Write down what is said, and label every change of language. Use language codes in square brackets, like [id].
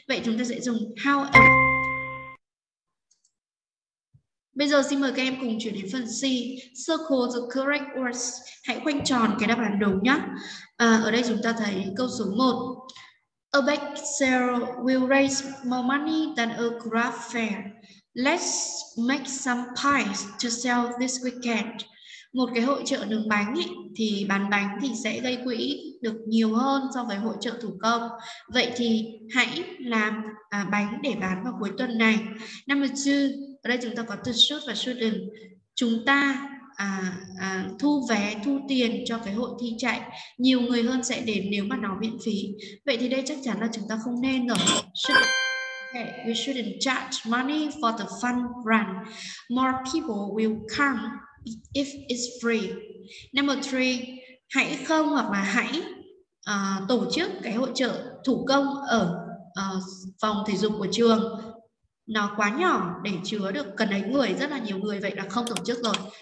[vi] Vậy chúng ta sẽ dùng how about. Bây giờ xin mời các em cùng chuyển đến phần C. [en] Circle the correct words. [vi] Hãy khoanh tròn cái đáp án đúng nhé. Ở đây chúng ta thấy câu số 1. [en] A bake sale will raise more money than a craft fair. Let's make some pies to sell this weekend. [vi] Một cái hội chợ nướng bánh ấy, thì bán bánh thì sẽ gây quỹ được nhiều hơn so với hội chợ thủ công. Vậy thì hãy làm bánh để bán vào cuối tuần này. [en] Number 2. [vi] Ở đây chúng ta có từ should và shouldn't. Chúng ta thu vé, thu tiền cho cái hội thi chạy. Nhiều người hơn sẽ đến nếu mà nó miễn phí. Vậy thì đây chắc chắn là chúng ta không nên rồi. [en] We shouldn't charge money for the fun run. More people will come if it's free. Number 3. [vi] Hãy không hoặc là hãy tổ chức cái hội chợ thủ công ở phòng thể dục của trường. Nó quá nhỏ để chứa được cần ấy người, rất là nhiều người, vậy là không tổ chức rồi.